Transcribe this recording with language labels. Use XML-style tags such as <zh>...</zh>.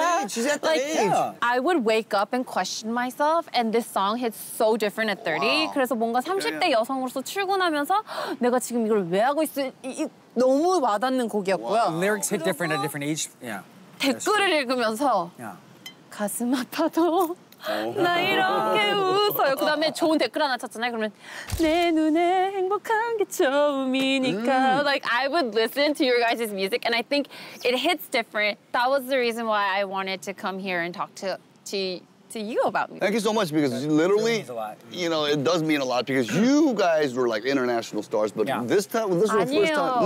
<en>I would wake up and question myself, and this song hits so different at 30. Wow.</en> <ko>그래서 뭔가 30대 여성으로서 출근하면서 내가 지금 이걸 왜 하고 있어? 너무 와닿는 곡이었고요.</ko> <en>Wow. Lyrics hit different at different age. Yeah.</en> <ko>댓글을 읽으면서 가슴 아파도 나 이렇게 웃어요. 그 다음에 좋은 댓글 하나 찾잖아요. 그러면 내 눈에 행복한 게 처음이니까.</ko> <en>Like, I would listen to your guys' music, and I think it hits different. That was the reason why I wanted to come here and talk to you about music. Thank you so much, because literally, you know, it does mean a lot, because you guys were like international stars, but this time, this was the first time.</en>